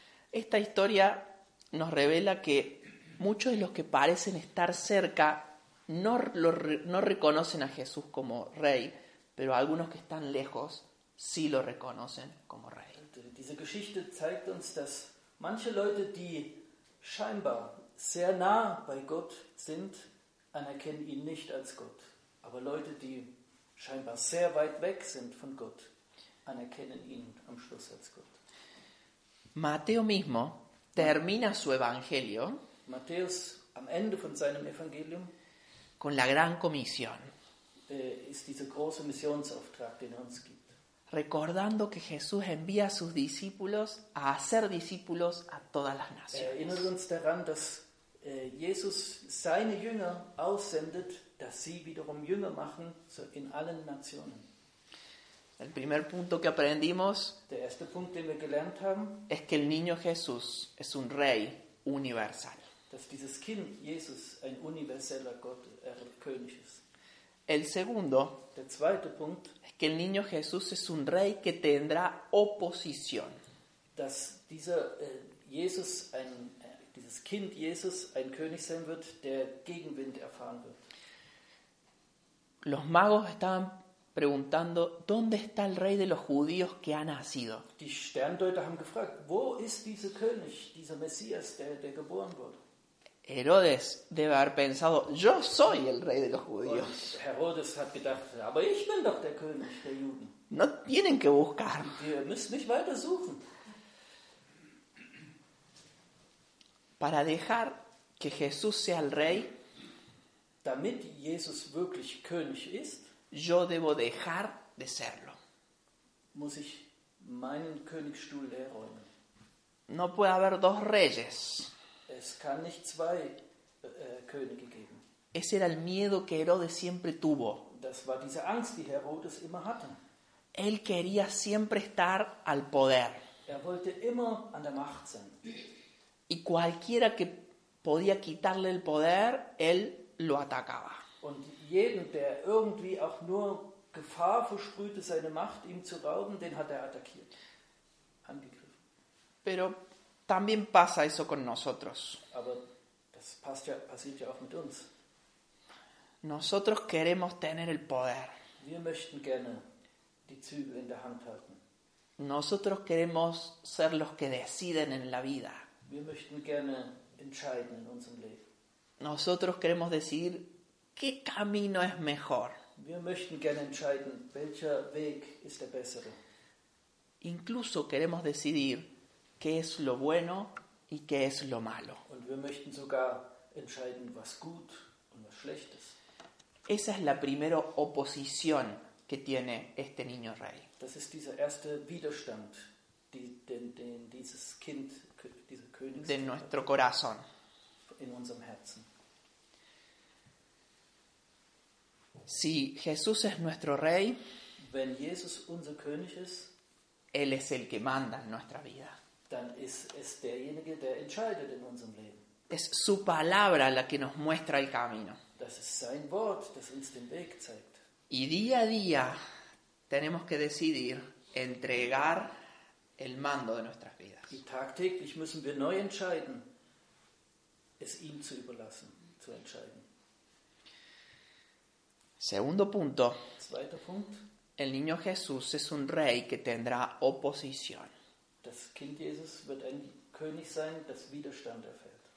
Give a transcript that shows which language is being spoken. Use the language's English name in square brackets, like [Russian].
[Spanish] Esta historia nos revela que muchos de los que parecen estar cerca no reconocen a Jesús como rey, pero algunos que están lejos sí lo reconocen como rey. [German] Diese Geschichte zeigt uns, dass Manche Leute, die scheinbar sehr nah bei Gott sind, anerkennen ihn nicht als Gott. Aber Leute, die scheinbar sehr weit weg sind von Gott, anerkennen ihn am Schluss als Gott. [Spanish] Mateo mismo termina su evangelio. [German] Matthäus am Ende von seinem Evangelium. [Spanish] Con la gran comisión. [German] Ist dieser große Missionsauftrag, den er uns gibt. [Spanish] Recordando que Jesús envía a sus discípulos a hacer discípulos a todas las naciones. [German] Erinnert uns daran, dass Jesus seine Jünger aussendet, dass sie wiederum Jünger machen in allen Nationen. [Spanish] El primer punto que aprendimos, [German] der erste Punkt, den wir gelernt haben, [Spanish] es que el niño Jesús es un rey universal. [German] Dass dieses Kind Jesus ein universeller Gott, König ist. [Spanish] El segundo, [German] der zweite Punkt, [Spanish] es que el niño Jesús es un rey que tendrá oposición. [German] Dass dieser Jesus ein dieses Kind Jesus ein König sein wird, der Gegenwind erfahren wird. [Spanish] Los magos estaban preguntando, ¿dónde está el rey de los judíos que ha nacido? [German] Die Sterndeuter haben gefragt, wo ist dieser König, dieser Messias, der geboren wurde? [Spanish] Herodes debe haber pensado, yo soy el rey de los judíos. [German] Und Herodes hat gedacht, aber ich bin doch der König der Juden. [Spanish] No tienen que buscar. [German] Wir müssen nicht weiter suchen. [Spanish] Para dejar que Jesús sea el rey, [German] damit Jesus wirklich König ist, [Spanish] yo debo dejar de serlo. [German] Muss ich meinen Königstuhl leer räumen. [Spanish] No puede haber dos reyes. [German] Es kann nicht zwei Könige geben. [Spanish] Ese era el miedo que Herodes siempre tuvo. [German] Das war diese Angst, die Herodes immer hatte. [Spanish] Él quería siempre estar al poder. [German] Er wollte immer an der Macht sein. [Spanish] Y cualquiera que podía quitarle el poder, él lo atacaba. [German] Und jeden, der irgendwie auch nur Gefahr versprühte, seine Macht ihm zu rauben, den hat er attackiert, angegriffen. [Spanish] Pero también pasa eso con nosotros. [German] Aber das passiert ja auch mit uns. [Spanish] Nosotros queremos tener el poder. [German] Wir möchten gerne die Zügel in der Hand halten. [Spanish] Nosotros queremos ser los que deciden en la vida. [German] Wir möchten gerne entscheiden in unserem Leben. [Spanish] Nosotros queremos decidir qué camino es mejor. [German] Wir möchten gerne entscheiden, welcher Weg ist der bessere. [Spanish] Incluso queremos decidir qué es lo bueno y qué es lo malo. [German] Und wir möchten sogar entscheiden, was gut und was schlecht ist. [Spanish] Esa es la primera oposición que tiene este niño rey. [German] Das ist dieser erste Widerstand, den dieses Kind, dieser König, [Spanish] de nuestro corazón. [German] In unserem Herzen. [Spanish] Si Jesús es nuestro rey, [German] wenn Jesus unser König ist, [Spanish] él es el que manda en nuestra vida. [German] Dann ist es derjenige, der entscheidet in unserem Leben. [Spanish] Es su palabra la que nos muestra el camino. [German] Das ist sein Wort, das uns den Weg zeigt. [Spanish] Y día a día tenemos que decidir entregar el mando de nuestras vidas. [German] Y tagtäglich müssen wir neu entscheiden, es ihm zu überlassen, zu entscheiden. [Spanish] Segundo punto. [German] Zweiter Punkt. [Spanish] El niño Jesús es un rey que tendrá oposición. [German] Das Kind Jesus wird ein König sein, das Widerstand erfährt.